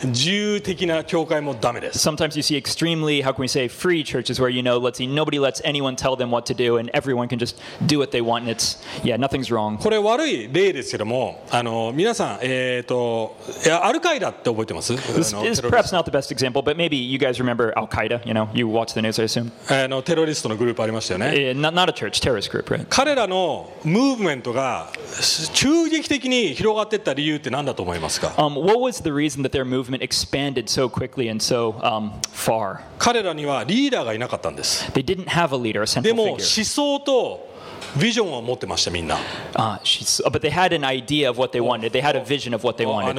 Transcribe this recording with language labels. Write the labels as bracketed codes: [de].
[ja] 誰も私に対して何かするっていうことは許さないわ。要はみんな好き勝手にやってしまう自由的な教会もダメです。 [en] Sometimes you see extremely, how can we say, free churches where, you know, let's see, nobody lets anyone tell them what to do and everyone can just do what they want and it's, yeah, nothing's wrong. [ja] これ悪い例ですけども、皆さん、アルカイダって覚えてます? [en] This is perhaps not the best example, but maybe you guys remember Al-Qaeda, you know, you watch the news, I assume. [ja] テロリストのグループありましたよね。 [en] Not a church, terrorist group, right? [ja] 彼らのムーブメントが急激的に広がっていった理由って何だと思いますか? [en] What was the reason that their movement expanded so quickly and so far? [ja] 彼らにはリーダーがいなかったんです。 [en] They didn't have a leader, a central figure. [ja] でも思想と [en] But they had an idea of what they wanted. They had a vision of what they wanted.